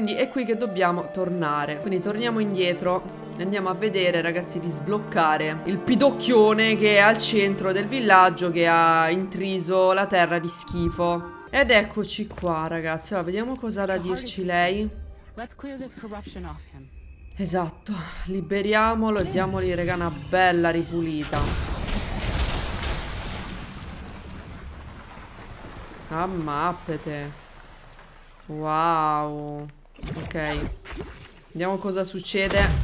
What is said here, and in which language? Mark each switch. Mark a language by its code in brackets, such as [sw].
[it] Quindi è qui che dobbiamo tornare. Quindi torniamo indietro e andiamo a vedere, ragazzi, di sbloccare il pidocchione che è al centro del villaggio, che ha intriso la terra di schifo. Ed eccoci qua, ragazzi. Allora, vediamo cosa ha da dirci lei. [en] Let's clear this corruption off him. [it] Esatto, liberiamolo e diamogli, raga, una bella ripulita. Ammappete. Wow. Ok, vediamo cosa succede.